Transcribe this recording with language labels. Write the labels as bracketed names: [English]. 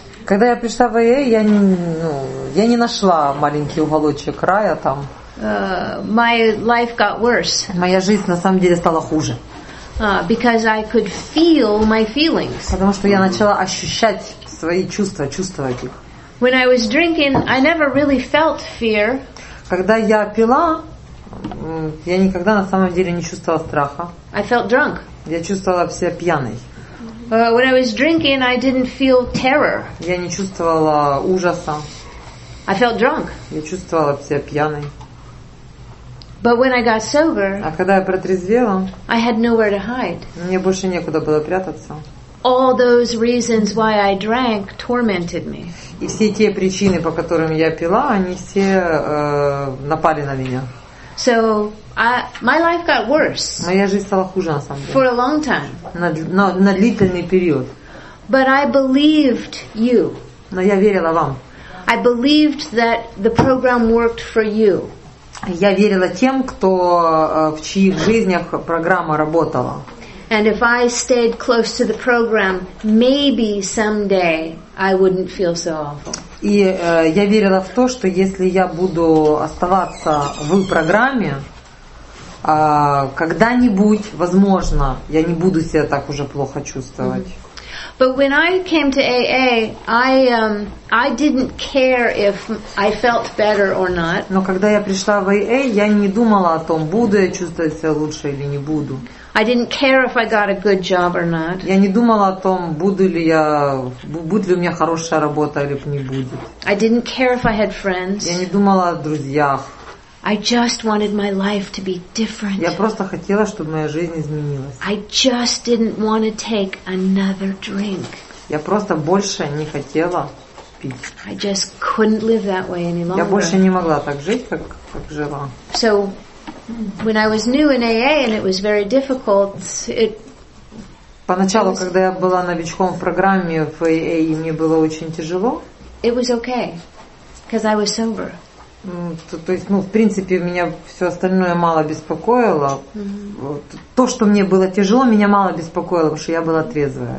[Russian] Когда я пришла в AA, я не нашла маленький уголочек рая там. [English] My life got worse. [Russian] Моя жизнь на самом деле стала хуже. [English] Because I could feel my feelings. [Russian] Потому что я начала ощущать свои чувства, чувствовать их. [English] When I was drinking, I never really felt fear. [Russian] Когда я пила, я никогда на самом деле не чувствовала страха. [English] I felt drunk. [Russian] Я чувствовала себя пьяной. [English] When I was drinking, I didn't feel terror. [Russian] Я не чувствовала ужаса. [English] I felt drunk. [Russian] Я чувствовала себя пьяной. [English] But when I got sober, [Russian] а когда я протрезвела, [English] I had nowhere to hide. [Russian] Мне больше некуда было прятаться. [English] All those reasons why I drank tormented me. [Russian] И все те причины, по которым я пила, они все напали на меня. [English] So my life got worse. [Russian] Моя жизнь стала хуже, на самом деле. [English] For a long time. [Russian] На длительный период. [English] But I believed you. [Russian] Но я верила вам. [English] I believed that the program worked for you. [Russian] Я верила тем, кто в чьих жизнях программа работала. [English] And if I stayed close to the program, maybe someday I wouldn't feel so awful. [Russian] И я верила в то, что если я буду оставаться в программе, когда-нибудь, возможно, я не буду себя так уже плохо чувствовать. [English] But when I came to AA, I didn't care if I felt better or not. [Russian] Но когда я пришла в AA, я не думала о том, буду я чувствовать себя лучше или не буду. [English] I didn't care if I got a good job or not. [Russian] Я не думала о том, будет ли у меня хорошая работа или не будет. [English] I didn't care if I had friends. [Russian] Я не думала о друзьях. [English] I just wanted my life to be different. [Russian] Я просто хотела, чтобы моя жизнь изменилась. [English] I just didn't want to take another drink. [Russian] Я просто больше не хотела пить. [English] I just couldn't live that way any longer. [Russian] Я больше не могла так жить, как жила. [English] So when I was new in AA and it was very difficult, [Russian] Поначалу, когда я была новичком в программе в AA, и мне было очень тяжело. [English] It was okay, because I was sober. [Russian] То есть, в принципе, меня все остальное мало беспокоило. Mm-hmm. То, что мне было тяжело, меня мало беспокоило, потому что я была трезвая.